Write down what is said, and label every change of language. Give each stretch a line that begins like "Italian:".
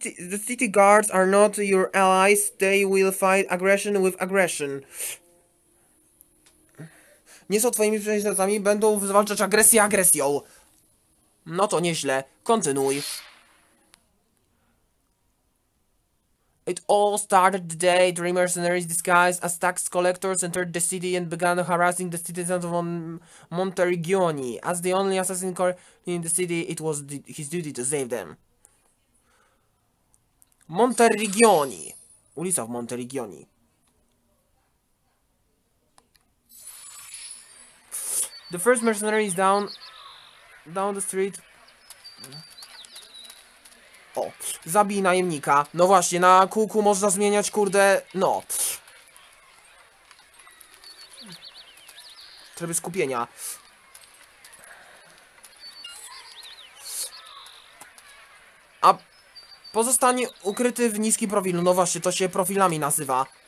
English: The city guards are not your allies. They will fight aggression with aggression.
Polish: Nie są twoimi przyjaciółmi, będą zwalczać agresję agresją. No to nieźle. Kontynuuj.
English: It all started the day dreamers in disguise as tax collectors entered the city and began harassing the citizens of Monteriggioni. As the only assassin in the city, it was his duty to save them.
Polish: Monteriggioni. Ulica w Monteriggioni.
English: The first mercenary is down the street.
Polish: O, zabij najemnika. No właśnie, na kółku można zmieniać, kurde, no. Tryby skupienia. A pozostań ukryty w niskim profilu. No właśnie, to się profilami nazywa.